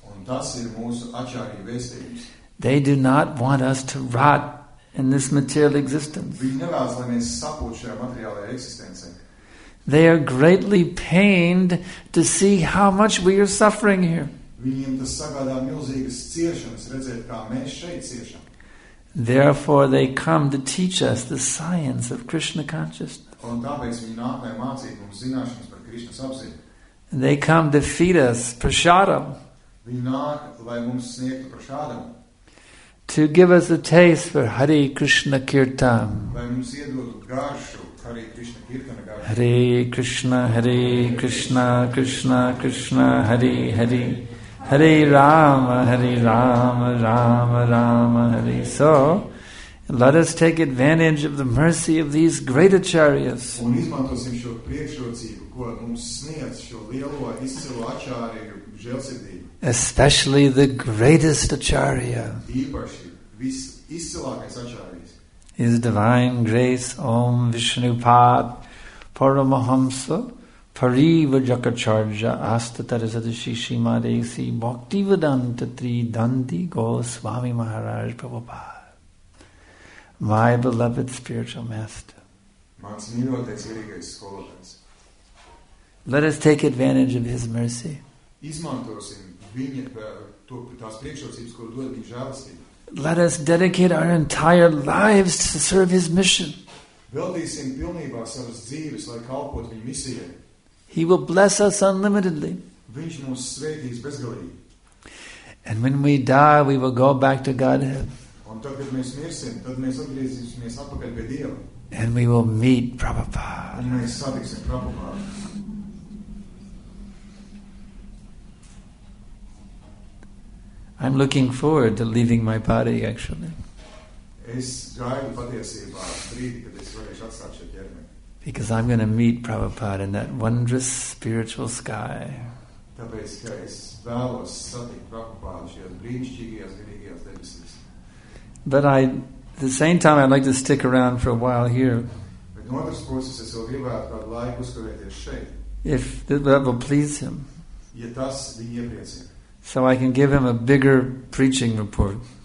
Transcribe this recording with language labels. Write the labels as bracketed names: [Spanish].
[Latvian] Un tas ir mūsu acharya vēstījums. [English] They do not want us to rot in this material existence. [Latvian] Viņi nevēlas, lai mēs sapūtu šajā materiālajā eksistencē. [English] They are greatly pained to see how much we are suffering here. [Latvian] Viņiem tas sagādā milzīgas ciešanas, redzēt, kā mēs šeit ciešam. [English] Therefore, they come to teach us the science of Krishna consciousness. [Latvian] Un tāpēc viņi nāk, lai mācītu mums zināšanas par Krishnas apziņu. [English] They come to feed us prasādam. [Latvian] Viņi nāk, lai mums sniegtu prasādam. [English] To give us a taste for Hare Krishna Kirtan. [Latvian] Lai mums iedotu garšu Hare Krishna Kirtana garšu. [Sanskrit] Hare Krishna, Hare Krishna, Krishna Krishna, Hare Hare. Hare Rama, Hare Rama, Rama Rama, Hare. [English] So, let us take advantage of the mercy of these great acharyas. [Latvian] Un izmantosim šo priekšrocību, ko mums sniedz šo lielo, izcilo acharyu žēlsirdību. [English] Especially the greatest acharya. [Latvian] Īpaši visizcilākais acharyas. [English] His divine grace, Om Vishnupad, Paramahamsa, Pariva Jakacharja Astatarasadashi Shimadesi Bhakti Vedanta Tri Dandi Goswami Maharaj Prabhupada. my beloved spiritual master. [Latvian] Mans mīļotais mīļākais skolotājs. [English] Let us take advantage of his mercy. [Latvian] Izmantosim viņa to tās priekšrocības, ko dod viņa žēlastība. [English] Let us dedicate our entire lives to serve his mission. [Latvian] Veltīsim pilnībā savas dzīves, lai kalpot viņa misijai. [English] He will bless us unlimitedly. [Latvian] Viņš mūs svētīs bezgalīgi. [English] And when we die, we will go back to Godhead. [Latvian] Un tad, kad mēs mirsim, tad mēs atgriezīsimies atpakaļ pie Dieva. [English] And we will meet Prabhupāda. [Latvian] Un mēs satiksim Prabhupādu. [English] I'm looking forward to leaving my body, actually. [Latvian] Es gaidu patiesībā brīdi, kad es varēšu atstāt šo ķermeni. [English] Because I'm going to meet Prabhupāda in that wondrous spiritual sky. [Latvian] Tāpēc, ka es vēlos satikt Prabhupādu šajās brīnišķīgajās garīgajās debesīs. [English] But I, at the same time, I'd like to stick around for a while here. [Latvian] Bet no otras puses, es vēl gribētu kādu laiku uzkavēties šeit. [English] If that will please him. [Latvian] Ja tas viņu iepriecina. [English] So I can give him a bigger preaching report.